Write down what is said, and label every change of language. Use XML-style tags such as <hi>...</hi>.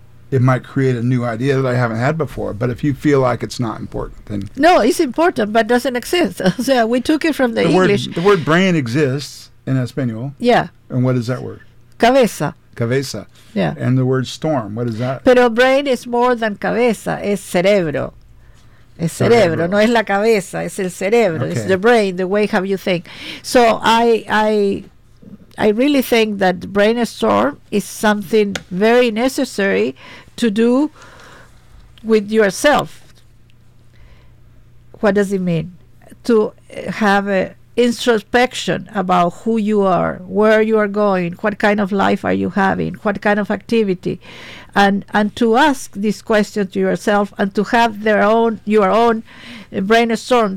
<en>It might create a new idea that I haven't had before. But if you feel like it's not important, then... No, it's important, but doesn't exist. So we took it from the English. Word, the word brain exists in Espanol. Yeah. And what is that word?</en> <es>Cabeza. Cabeza.</es> <en>Yeah. And the word storm, what is that?</en> <es>Pero</es> <en>brain is more than</en> <es>cabeza, es cerebro. Es cerebro, no es la cabeza, es el cerebro.</es> <en>Okay. It's the brain, the way how you think. So I really think that brainstorm is something very necessary to do with yourself. What does it mean? To have a introspection about who you are, where you are going, what kind of life are you having, what kind of activity, and to ask this question to yourself and to have your own brainstorm.</en>